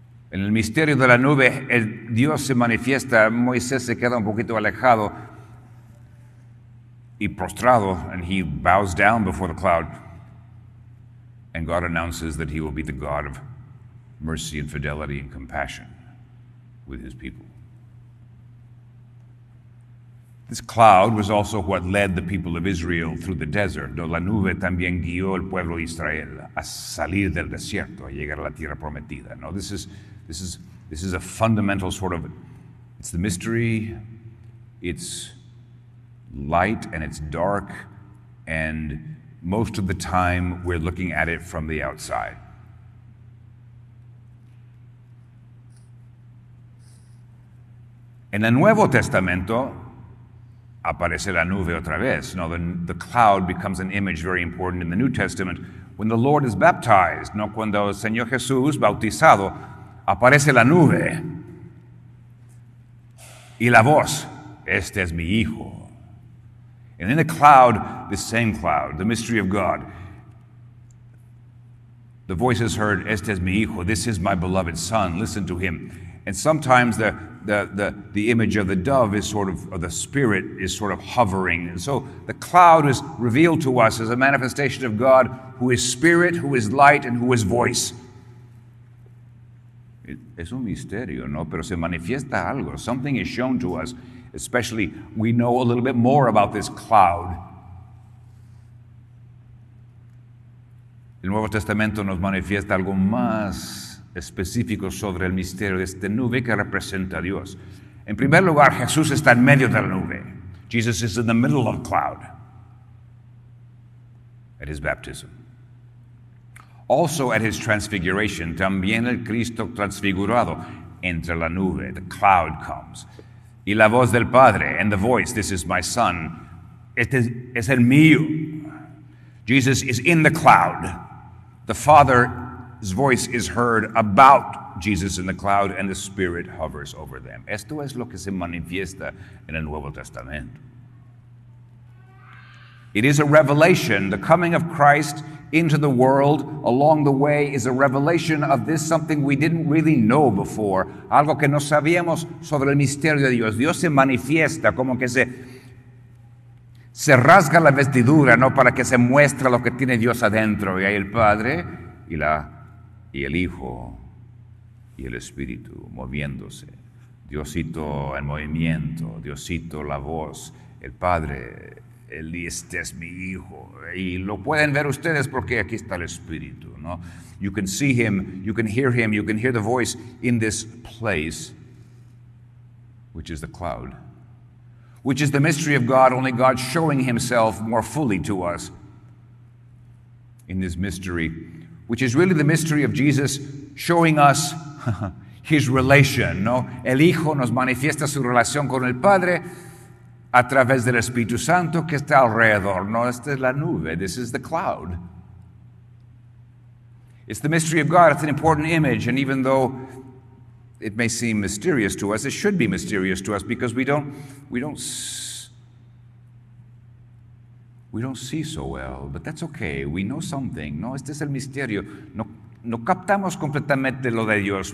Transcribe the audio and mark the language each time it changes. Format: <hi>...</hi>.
<es>En el misterio de la nube, Dios se manifiesta, Moisés se queda un poquito alejado, y prostrado,</es> <en>and he bows down before the cloud, and God announces that he will be the God of mercy and fidelity and compassion with his people. This cloud was also what led the people of Israel through the desert.</en> <es>No, la nube también guió el pueblo de Israel a salir del desierto, a llegar a la tierra prometida.</es> <en>No, this is a fundamental sort of, it's the mystery, it's light and it's dark, and most of the time we're looking at it from the outside.</en> <es>En el Nuevo Testamento, aparece la nube otra vez.</es> <en>No, the cloud becomes an image very important in the New Testament. When the Lord is baptized,</en> <es>no, cuando el Señor Jesús bautizado, aparece la nube. Y la voz, este es mi hijo.</es> <en>And in the cloud, the same cloud, the mystery of God. The voice is heard,</en> <es>este es mi hijo,</es> <en>this is my beloved son, listen to him. And sometimes the image of the dove is sort of, or the spirit is sort of hovering. And so the cloud is revealed to us as a manifestation of God, who is spirit, who is light, and who is voice.</en> <es>Es un misterio, ¿no? Pero se manifiesta algo.</es> <en>Something is shown to us, especially we know a little bit more about this cloud.</en> <es>El Nuevo Testamento nos manifiesta algo más específico sobre el misterio de esta nube que representa a Dios. En primer lugar, Jesús está en medio de la nube.</es> <en>Jesus is in the middle of the cloud at his baptism. Also at his transfiguration,</en> <es>también el Cristo transfigurado entre la nube,</es> <en>the cloud comes.</en> <es>Y la voz del Padre,</es> <en>and the voice, this is my son,</en> <es>este es el mío.</es> <en>Jesus is in the cloud. The Father's voice is heard about Jesus in the cloud, and the Spirit hovers over them.</en> <es>Esto es lo que se manifiesta en el Nuevo Testamento.</es> <en>It is a revelation. The coming of Christ into the world along the way is a revelation of this, something we didn't really know before.</en> <es>Algo que no sabíamos sobre el misterio de Dios. Dios se manifiesta, como que se rasga la vestidura, ¿no? Para que se muestre lo que tiene Dios adentro. Y hay el Padre y el Hijo y el Espíritu moviéndose. Diosito en movimiento, Diosito la voz, el Padre. Este es mi hijo. Y lo pueden ver ustedes porque aquí está el Espíritu, ¿no?</es> <en>You can see him, you can hear him, you can hear the voice in this place, which is the cloud, which is the mystery of God, only God showing himself more fully to us in this mystery, which is really the mystery of Jesus showing us his relation, ¿no?</en> <es>El Hijo nos manifiesta su relación con el Padre a través del Espíritu Santo que está alrededor. No, esta es la nube.</es> <en>This is the cloud. It's the mystery of God. It's an important image. And even though it may seem mysterious to us, it should be mysterious to us because we don't see so well. But that's okay. We know something.</en> <es>No, este es el misterio. No captamos completamente lo de Dios.</es>